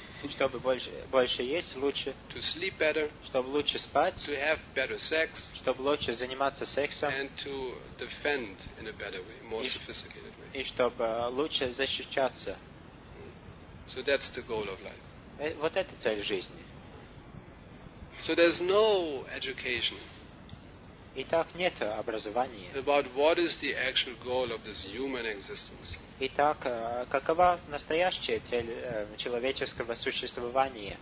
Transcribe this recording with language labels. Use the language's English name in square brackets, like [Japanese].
[Russian] чтобы больше есть, лучше, [English] to sleep better, [Russian] чтобы лучше спать, [English] to have better sex, [Russian] чтобы лучше заниматься сексом, [English] and to defend in a better way, more sophisticated way. [Russian] И чтобы лучше защищаться. [English] So that's the goal of life. [Russian] Вот это цель жизни. [English] So there's no education. [Russian] Итак, нет образования. [English] About what is the actual goal of this human existence? [Russian] Итак, какова настоящая цель человеческого существования?